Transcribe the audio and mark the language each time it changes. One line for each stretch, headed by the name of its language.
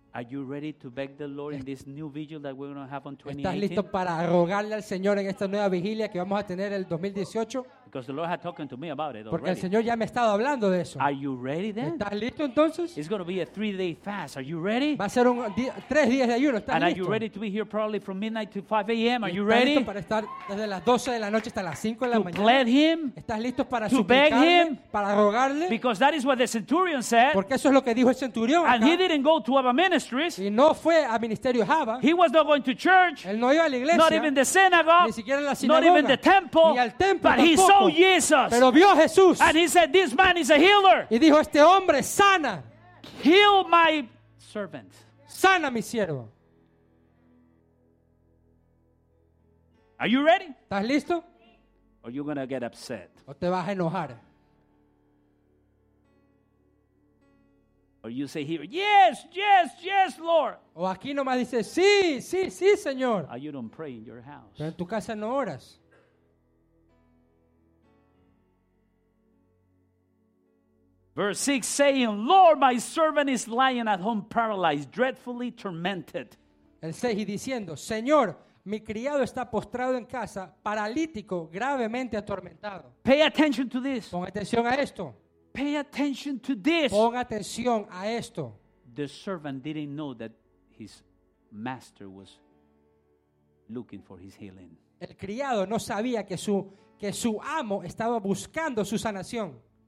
English: Are you ready to beg the Lord in this new vigil that we're going to have on 2018?
Spanish: ¿Estás listo para rogarle al Señor en esta nueva vigilia que vamos a tener el 2018?
English: Because the Lord had talked to me about it already.
Spanish: Porque el Señor ya me ha estado hablando de eso.
English: Are you ready then?
Spanish: ¿Estás listo entonces?
English: It's going to be a 3-day fast. Are you ready?
Spanish: Va a ser un tres días de ayuno. ¿Estás
English: and
Spanish: listo?
English: Are you ready to be here probably from midnight to 5 a.m.? Are you ready?
Spanish: ¿Estás listo para estar desde las 12 de la noche hasta las 5 de la
English: to
Spanish: mañana?
English: To plead him?
Spanish: ¿Estás listo para
English: to
Spanish: suplicarle?
English: Beg him?
Spanish: ¿Para rogarle?
English: Because that is what the centurion said.
Spanish: Porque eso es lo que dijo el centurión.
English: And he didn't go to other ministries.
Spanish: Y no fue a ministerio Java.
English: He was not going to church.
Spanish: Él no iba a la iglesia.
English: Not even the synagogue.
Spanish: Ni siquiera en la
English: sinagoga. Not even the temple.
Spanish: Ni al templo.
English: But he saw Jesus.
Spanish: Pero vio a Jesús.
English: And he said, "This man is a healer."
Spanish: Y dijo, este hombre sana.
English: Heal my servant.
Spanish: Sana mi siervo.
English: Are you ready?
Spanish: ¿Estás listo?
English: Or are you going to get upset?
Spanish: ¿O te vas a enojar?
English: Or you say here, "Yes, yes, yes, Lord."
Spanish: O aquí nomás dice, "Sí, sí, sí, Señor."
English: Or you don't pray in your house.
Spanish: Pero en tu casa no oras.
English: Verse 6 saying, "Lord, my servant is lying at home paralyzed, dreadfully tormented."
Spanish: El 6 y diciendo, "Señor, mi criado está postrado en casa, paralítico, gravemente atormentado."
English: Pay attention to this.
Spanish: Pon atención a esto.
English: Pay attention to this.
Spanish: Pon atención a esto.
English: The servant didn't know that his master was looking for his healing.
Spanish: El criado no sabía que su amo estaba buscando su sanación.